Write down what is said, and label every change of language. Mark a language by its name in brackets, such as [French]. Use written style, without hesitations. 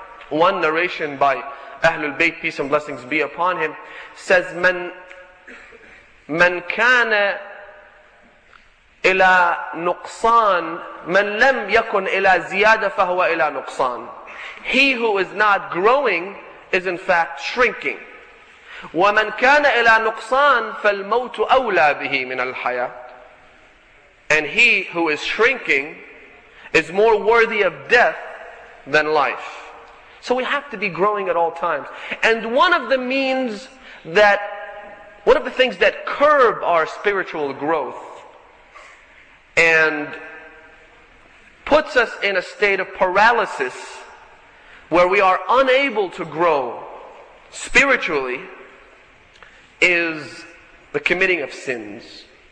[English] One narration by Ahlul Bayt, peace and blessings be upon him, says, [Arabic] من كان إلى نقصان من لم يكن إلى زيادة فهو إلى نقصان. [English] He who is not growing is in fact shrinking. [Arabic] ومن كان إلى نقصان فالموت أولى به من الحياة. [English] And he who is shrinking is more worthy of death than life. So we have to be growing at all times. And one of the means that, one of the things that curb our spiritual growth and puts us in a state of paralysis where we are unable to grow spiritually is the committing of sins.